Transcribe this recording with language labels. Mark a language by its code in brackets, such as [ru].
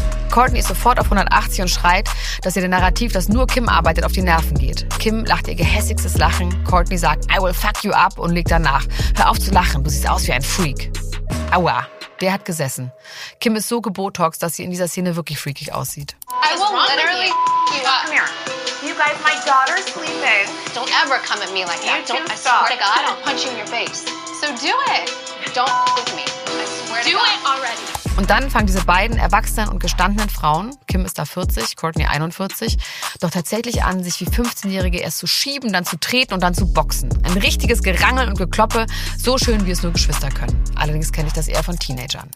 [de] Kourtney ist sofort auf 180 und schreit, dass ihr der Narrativ, dass nur Kim arbeitet, auf die Nerven geht. Kim lacht ihr gehässigstes Lachen. Kourtney sagt, [en] I will fuck you up [de] und legt danach. Hör auf zu lachen, du siehst aus wie ein Freak. Aua, der hat gesessen. Kim ist so gebotoxed, dass sie in dieser Szene wirklich freakig aussieht. [en] I will literally fuck you up. Come here. You guys, my daughter's sleeping. Don't ever come at me like that. Don't, I swear to God, I'll punch you in your face. So do it. Don't fuck with me. I swear to God. Do it already. [de] Und dann fangen diese beiden erwachsenen und gestandenen Frauen, Kim ist da 40, Kourtney 41, doch tatsächlich an, sich wie 15-Jährige erst zu schieben, dann zu treten und dann zu boxen. Ein richtiges Gerangel und Gekloppe, so schön, wie es nur Geschwister können. Allerdings kenne ich das eher von Teenagern.